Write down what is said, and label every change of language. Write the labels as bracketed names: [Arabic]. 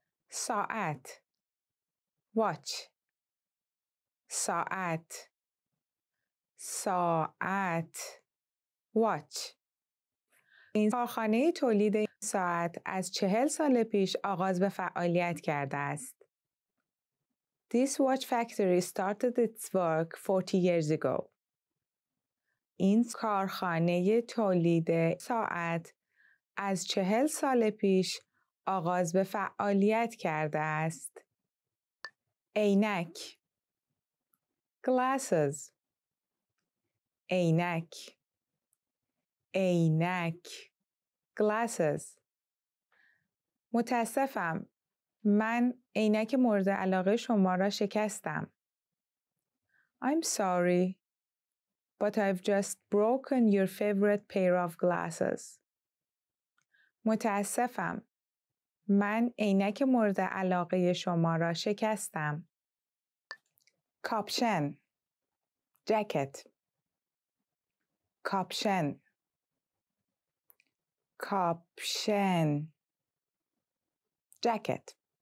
[Persian] ساعت. Watch. ساعت. ساعت. Watch. این کارخانه تولید ساعت از 40 سال پیش آغاز به فعالیت کرده است. [English] This watch factory started its work 40 years ago. [Persian] این کارخانه تولید ساعت از 40 سال پیش آغاز به فعالیت کرده است. عینک. Glasses. عینک. عینک. Glasses. متاسفم. من عینک مورد علاقه شما را شکستم. [English] I'm sorry, but I've just broken your favorite pair of glasses. [Persian] متاسفم. من عینک مورد علاقه شما را شکستم. Caption. Jacket. Caption. Caption. Jacket.